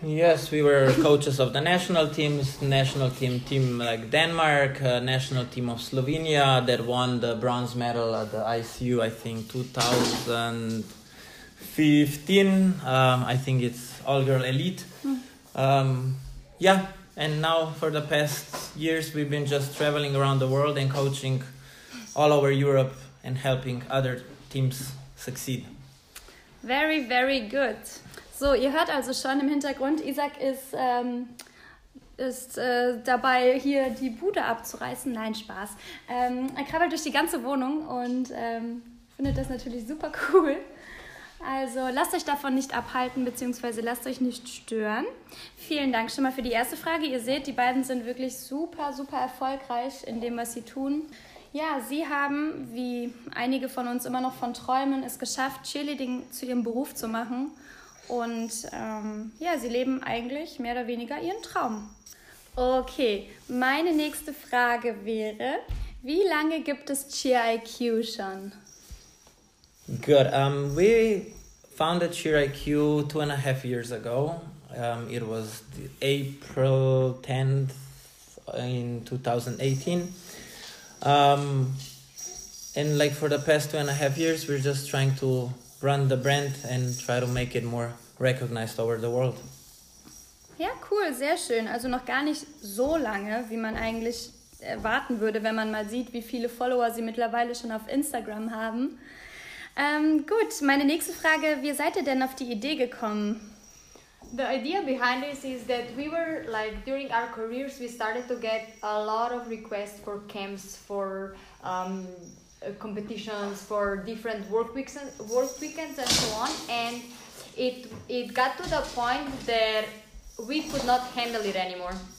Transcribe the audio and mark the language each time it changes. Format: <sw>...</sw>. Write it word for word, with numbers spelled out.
<en>Yes, we were coaches of the national teams, national team team like Denmark, uh, national team of Slovenia that won the bronze medal at the I C U, I think, twenty fifteen. Um, I think it's all-girl elite. Um, yeah, and now for the past years, we've been just traveling around the world and coaching all over Europe and helping other teams succeed. Very, very good.</en> <de>So, ihr hört also schon im Hintergrund, Isaac ist, ähm, ist äh, dabei, hier die Bude abzureißen. Nein, Spaß. Ähm, er krabbelt durch die ganze Wohnung und ähm, findet das natürlich super cool. Also lasst euch davon nicht abhalten, beziehungsweise lasst euch nicht stören. Vielen Dank schon mal für die erste Frage. Ihr seht, die beiden sind wirklich super, super erfolgreich in dem, was sie tun. Ja, sie haben, wie einige von uns immer noch von träumen, es geschafft, Cheerleading zu ihrem Beruf zu machen. Und ähm, ja, sie leben eigentlich mehr oder weniger ihren Traum. Okay, meine nächste Frage wäre, wie lange gibt es Cheer I Q schon?</de> <en>Good. Um, we founded Cheer I Q two and a half years ago. Um, it was April tenth in twenty eighteen. Um, and like for the past two and a half years, we're just trying to run the brand and try to make it more recognized over the world.</en> <de>Ja, cool, sehr schön. Also noch gar nicht so lange, wie man eigentlich erwarten würde, wenn man mal sieht, wie viele Follower sie mittlerweile schon auf Instagram haben. Ähm, gut, meine nächste Frage, wie seid ihr denn auf die Idee gekommen?</de> <en>The idea behind this is that we were, like, during our careers, we started to get a lot of requests for camps, for um, competitions, for different work weeks and work weekends and so on, and it it got to the point that we could not handle it anymore,</en>